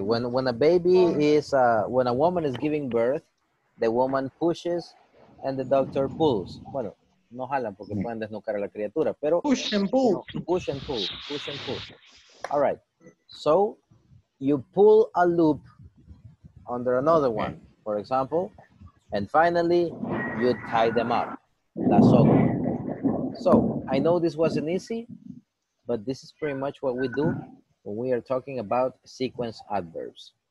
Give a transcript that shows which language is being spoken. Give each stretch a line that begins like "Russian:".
English: When a baby is, when a woman is giving birth, the woman pushes and the doctor pulls.
Spanish: Bueno, no jalan porque pueden desnucar a la criatura, pero...
English: Push and pull. No, push and pull. Push and pull. All right. So, you pull a loop under another one, for example, and finally, you tie them up. That's all. So, I know this wasn't easy, but this is pretty much what we do when we are talking about sequence adverbs.